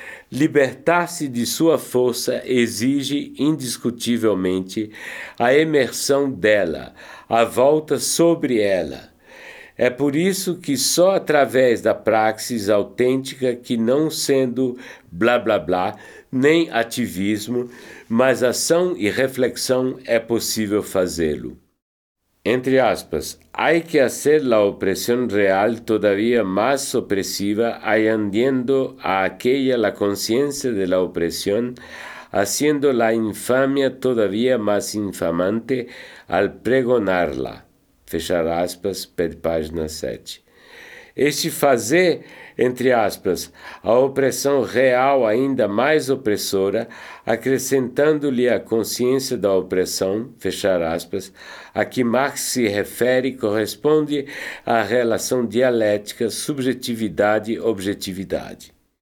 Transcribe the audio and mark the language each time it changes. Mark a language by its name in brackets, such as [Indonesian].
[Portuguese] Libertar-se de sua força exige, indiscutivelmente, a imersão dela, a volta sobre ela. É por isso que só através da praxis autêntica, que não sendo blá blá blá, nem ativismo, mas ação e reflexão, é possível fazê-lo. Entre aspas, [Spanish] hay que hacer la opresión real todavía más opresiva añadiendo a aquella la conciencia de la opresión, haciendo la infamia todavía más infamante al pregonarla. [Portuguese] Fechar aspas, per página 7. Este fazer, entre aspas, a opressão real ainda mais opressora, acrescentando-lhe a consciência da opressão, fechar aspas, a que Marx se refere corresponde à relação dialética subjetividade-objetividade.